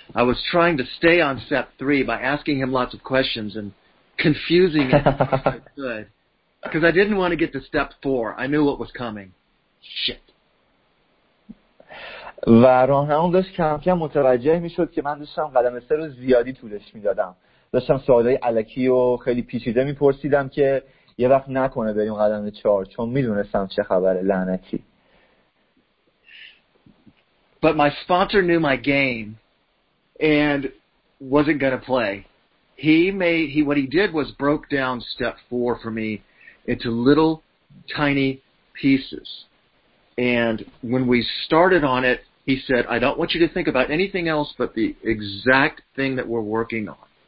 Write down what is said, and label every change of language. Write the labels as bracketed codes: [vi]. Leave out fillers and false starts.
[en] I was trying to stay on step 3 by asking him lots of questions and confusing him as much as I could. Because I didn't want to get to step 4. I knew what was coming. Shit. [fa] و راهنمام داشت کم کم متوجه میشد که من داشتم قدم 3 رو زیادی طولش میدادم. داشتم سوالای الکی و خیلی پیچیده میپرسیدم که یه وقت نکنه بریم قدم 4، چون میدونستم چه خبره لعنتی. [en] But my sponsor knew my game and wasn't going to play. What he did was broke down step 4 for me into little tiny pieces. And when we started on it, he said, "I don't want you to think about anything else but the exact thing that we're working on."